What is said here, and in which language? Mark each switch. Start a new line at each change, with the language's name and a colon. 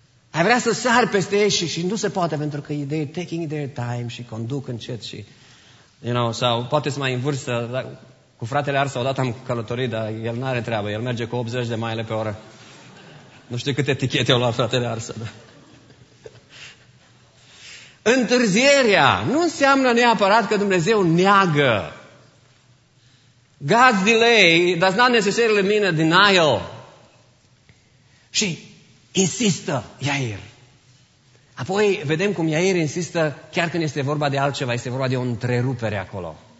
Romanian: Ai vrea să sari peste ei și nu se poate pentru că
English: they're taking their time
Romanian: și conduc încet și,
English: you know,
Romanian: sau poate să mai în vârstă, dar cu fratele Arsa odată am călătorit, dar el n-are treabă. El merge cu 80 de mile pe oră. Nu știu câte etichete au luat fratele Arsa. Dar... Întârzierea nu înseamnă neapărat că Dumnezeu neagă.
English: God's delay does not necessarily mean a denial.
Romanian: Și insistă Iair. Apoi vedem cum Iair insistă chiar când este vorba de altceva, este vorba de o întrerupere acolo.